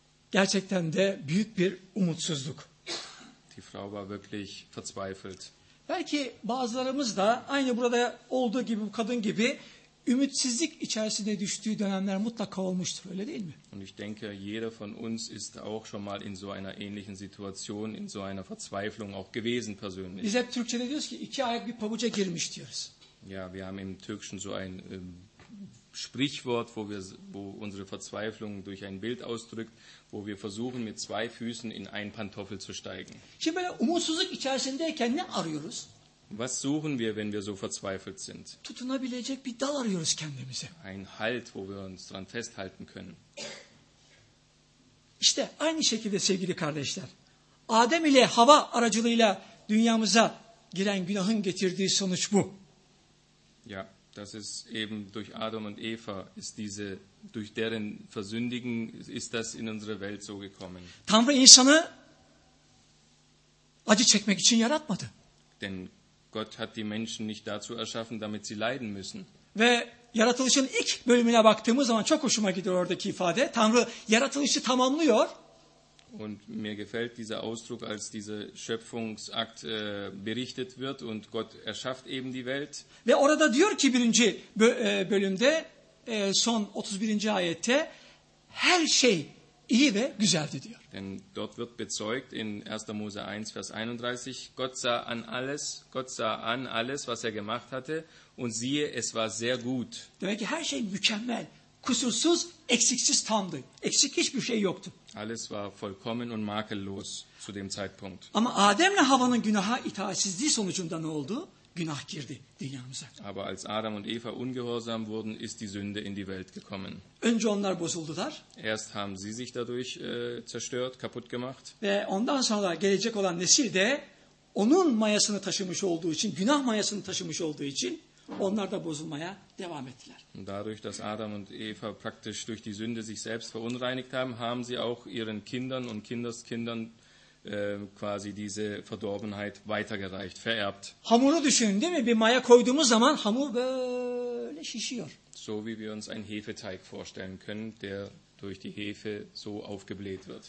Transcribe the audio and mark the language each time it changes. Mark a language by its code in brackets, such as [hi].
[tr] Gerçekten de büyük bir umutsuzluk. [de] Die Frau war wirklich verzweifelt. [tr] Belki bazılarımız da aynı burada olduğu gibi, bu kadın gibi ümitsizlik içerisinde düştüğü dönemler mutlaka olmuştur, öyle değil mi? [de] Und ich denke, jeder von uns ist auch schon mal in so einer ähnlichen Situation, in so einer Verzweiflung auch gewesen persönlich. [tr] Biz hep Türkçe'de diyoruz ki iki ayak bir pabuca girmiş diyoruz. [de] Ja, wir haben im Türkischen so ein Sprichwort, wo unsere Verzweiflung durch ein Bild ausdrückt, wo wir versuchen, mit zwei Füßen in einen Pantoffel zu steigen. [tr] Şimdi böyle umutsuzluk içerisindeyken ne arıyoruz? [de] Was suchen wir, wenn wir so verzweifelt sind? [tr] Tutunabilecek bir dal arıyoruz kendimize. [de] Ein Halt, wo wir uns dran festhalten können. [tr] İşte aynı şekilde sevgili kardeşler, Adem ile Hava aracılığıyla dünyamıza giren günahın getirdiği sonuç bu. [de] Ja, das ist eben durch Adam und Eva, ist diese, durch deren Versündigen ist das in unsere Welt so gekommen. [tr] Tanrı insanı acı çekmek için yaratmadı. [de] Denn Gott hat die Menschen nicht dazu erschaffen, damit sie leiden müssen. [tr] Ve yaratılışın ilk bölümüne baktığımız zaman çok hoşuma gidiyor oradaki ifade. Tanrı yaratılışı tamamlıyor. [de] Und mir gefällt dieser Ausdruck, als dieser Schöpfungsakt berichtet wird und Gott erschafft eben die Welt. [tr] Ve orada diyor ki birinci bölümde son 31. ayette her şey iyi ve güzeldi diyor. [de] Denn dort wird bezeugt in 1. Mose 1, Vers 31, Gott sah an alles, was er gemacht hatte und siehe, es war sehr gut. [tr] Demek ki her şey mükemmel, kusursuz, eksiksiz tamdı. Eksik hiçbir şey yoktu. [de] Alles war vollkommen und makellos zu dem Zeitpunkt. [tr] Ama Adem'le Havva'nın günaha itaatsizliği sonucunda ne oldu? Günah girdi dünyamıza. [de] Aber als Adam und Eva ungehorsam wurden, ist die Sünde in die Welt gekommen. [tr] Önce onlar bozuldular. [de] Erst haben sie sich dadurch zerstört, kaputt gemacht. [tr] Ve ondan sonra gelecek olan nesil de onun mayasını taşımış olduğu için, günah mayasını taşımış olduğu için onlar da bozulmaya devam ettiler. [de] Und dadurch, dass Adam und Eva praktisch durch die Sünde sich selbst verunreinigt haben, haben sie auch ihren Kindern und Kindeskindern quasi diese Verdorbenheit weitergereicht, vererbt. [tr] Hamuru düşünün, değil mi? Bir maya koyduğumuz zaman hamur böyle şişiyor. [de] So wie wir uns einen Hefeteig vorstellen können, der durch die Hefe so aufgebläht wird.